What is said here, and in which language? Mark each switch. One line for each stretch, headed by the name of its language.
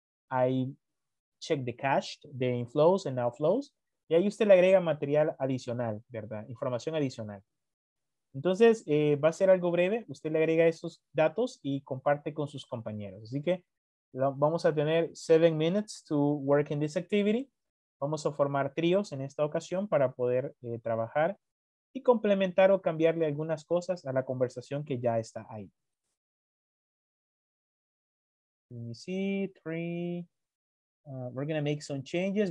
English: I check the cash, the inflows and outflows.
Spanish: Y ahí usted le agrega material adicional, ¿verdad? Información adicional. Entonces, va a ser algo breve. Usted le agrega esos datos y comparte con sus compañeros. Así que vamos a tener
English: 7 minutes to work in this activity.
Spanish: Vamos a formar tríos en esta ocasión para poder trabajar y complementar o cambiarle algunas cosas a la conversación que ya está ahí.
English: Let me see, 3. We're going to make some changes.